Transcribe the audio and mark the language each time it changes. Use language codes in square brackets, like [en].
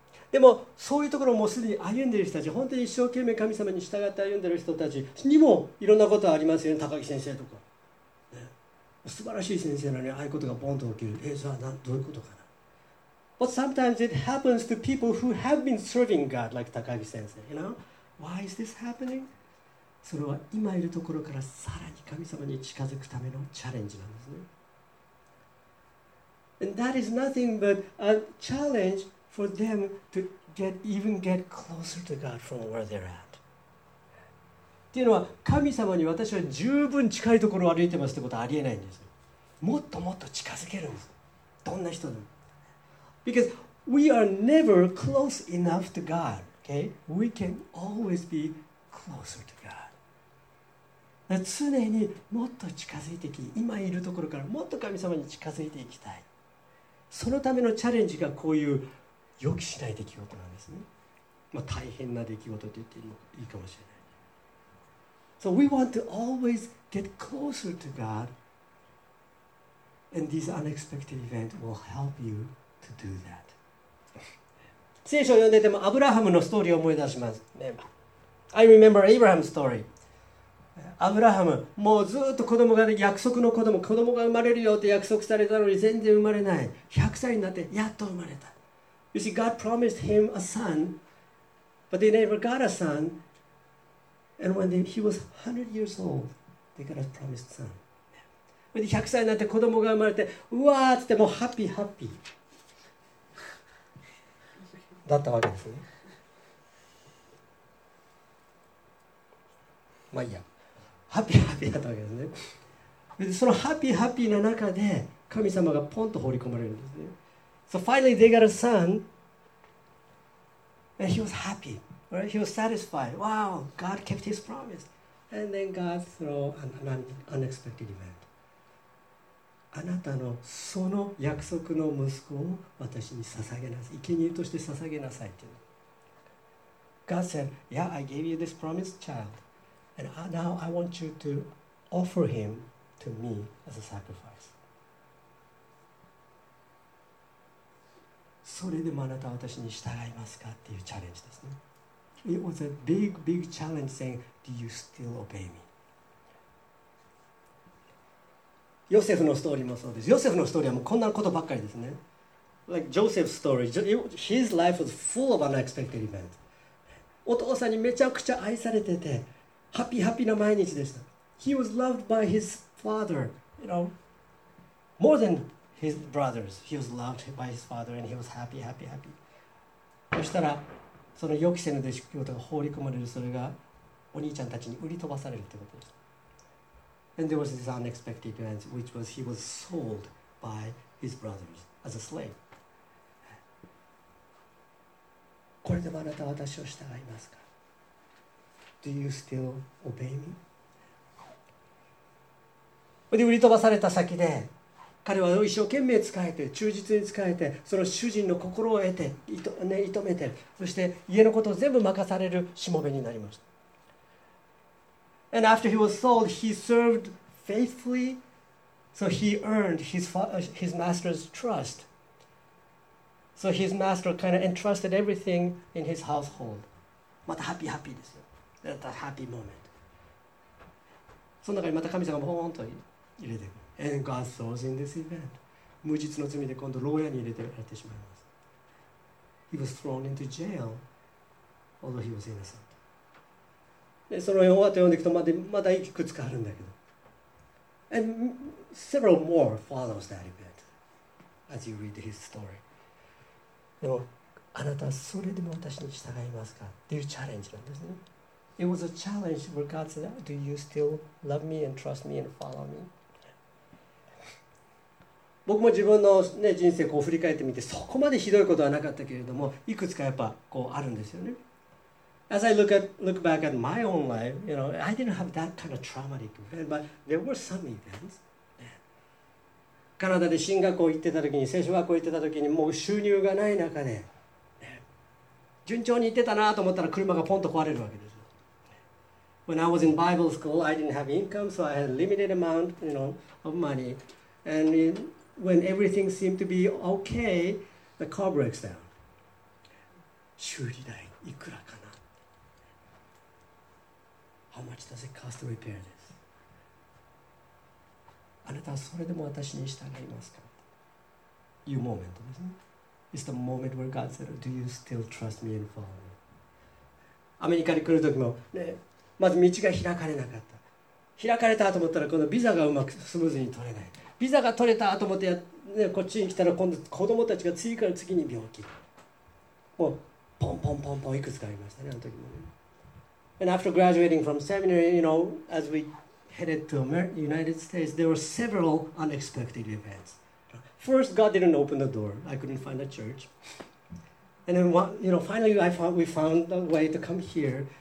[ja] でもそういうところもすでに歩んでいる人たち、本当に一生懸命神様に従って歩んでいる人たちにもいろんなことがありますよね。高木先生とか、ね、素晴らしい先生なのにああいうことがボンと起きる。え、じゃあどういうことかな。 [en] But sometimes it happens to people who have been serving God, like Takagi sensei. You know, why is this happening? [ja] それは今いるところからさらに神様に近づくためのチャレンジなんですね。 [en] And that is nothing but a challenge for them to get closer to God from where they're at. [ja] っていうのは、神様に私は十分近いところを歩いてますってことはありえないんです。もっともっと近づけるんです。どんな人なの? [en] Because we are never close enough to God. Okay? We can always be closer to God. [ja] 常にもっと近づいてき、今いるところからもっと神様に近づいていきたい。そのためのチャレンジがこういう予期しない出来事なんですね。まあ、大変な出来事と言ってもいいかもしれない。 [en] So we want to always get closer to God. And these unexpected events will help you to do that. [ja] 聖書を読んでてもアブラハムのストーリーを思い出します。 [en] I remember Abraham's story. [ja] アブラハム、もうずっと子供が、ね、約束の子供、子供が生まれるよって約束されたのに全然生まれない。 100歳になってやっと生まれた。 [en] You see, God promised him a son, but they never got a son. And when he was 100 years old, they got a promised son. When he [ja] 100歳になって子供が生まれて、うわーっつってもうハッピーハッピーだったわけですね。まあいいや、ハッピーハッピーだったわけですね。でそのハッピーハッピーな中で神様がポンと放り込まれるんですね。 [en] So finally they got a son and he was happy, right? He was satisfied. Wow, God kept his promise. And then God threw an unexpected event. [ja] あなたのその約束の息子を私に捧げなさい。生贄として捧げなさいっていう。 [en] God said, Yeah, I gave you this promised child. And now I want you to offer him to me as a sacrifice. [ja] それでもあなたは私に従いますかっていうチャレンジですね。 [en] It was a big, big challenge saying, Do you still obey me? [ja] ヨセフのストーリーもそうです。ヨセフのストーリーはもうこんなことばっかりですね。 [en] Like Joseph's story, his life was full of unexpected events. [ja] お父さんにめちゃくちゃ愛されてて、ハッピーハッピーな毎日でした。 [en] He was loved by his father, you know, more than. His brothers, he was loved by his father and he was happy, happy, happy. [ja] そしたらその予期せぬ出来事が放り込まれる、それがお兄ちゃんたちに売り飛ばされるということです。 [en] And there was this unexpected event, which was he was sold by his brothers as a slave. [ja] これでもあなたは私を従いますか? [en] Do you still obey me? [ja] で、売り飛ばされた先で彼は一生懸命仕えて、忠実に仕えて、その主人の心を得て、いとめて、そして家のことを全部任されるしもべになりました。 [en] And after he was sold, he served faithfully, so he earned his master's trust. So his master kind of entrusted everything in his household. [ja] またハッピーハッピーですよ。 [en] That's a happy moment. [ja] その中にまた神様がボーンと入れてくる。 [en] And God throws in this event. [ja] 無実の罪で今度牢屋に入れてやってしまいます。 [en] He was thrown into jail, although he was innocent. [ja] で、その終わって読んでいくとまだいくつかあるんだけど。 [en] And several more follows that event as you read his story. [ja] でも、あなたはそれでも私に従いますか?っていうチャレンジなんですね。 [en] It was a challenge where God said, Do you still love me and trust me and follow me? [ja] 僕も自分の、ね、人生をこう振り返ってみて、そこまでひどいことはなかったけれども、いくつかやっぱこうあるんですよね。 [en] As I look back at my own life, you know, I didn't have that kind of traumatic event, but there were some events. [ja] カナダで進学校行ってた時に、聖書学校行ってた時に、もう収入がない中で、順調に行ってたなと思ったら車がポンと壊れるわけです。 [en] When I was in Bible school, I didn't have income, so I had a limited amount, you know, of money. And inWhen everything seemed to be okay, the car breaks down. [ja] 修理代いくらかな? [en] How much does it cost to repair this? [ja] あなたはそれでも私に従いますか? いう moment ですね。 [en] It's the moment where God said, Do you still trust me and follow me? [ja] アメリカに来る時も、ね、まず道が開かれなかった。開かれたと思ったら、このビザがうまくスムーズに取れない。ビザが取れたと思ってや、ね、こっちに来たら今度子供たちが次から次に病気。もうポンポンポンポンいくつかありましたね、あの時も。 [en] And after graduating from seminary, you know, as we headed to the United States, there were several unexpected events. first God didn't open the door. I couldn't find a church. And then you know, finally we found a way to come here.